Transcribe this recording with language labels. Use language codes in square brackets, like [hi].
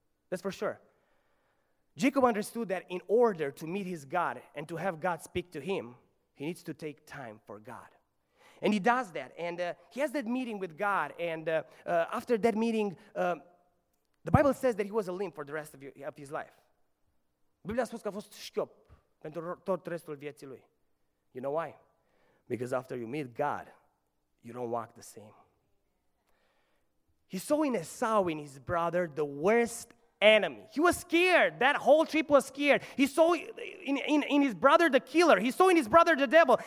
[en] That's for sure. Jacob understood that in order to meet his God and to have God speak to him, he needs to take time for God. And he does that. And he has that meeting with God. And after that meeting, the Bible says that he was a limp for the rest of his life. [ro] Biblia a spus că a fost șchiop pentru tot restul vieții lui. [en] You know why? Because after you meet God, you don't walk the same. He saw in Esau, in his brother, the worst enemy. He was scared. That whole trip was scared. He saw in his brother the killer. He saw in his brother the devil.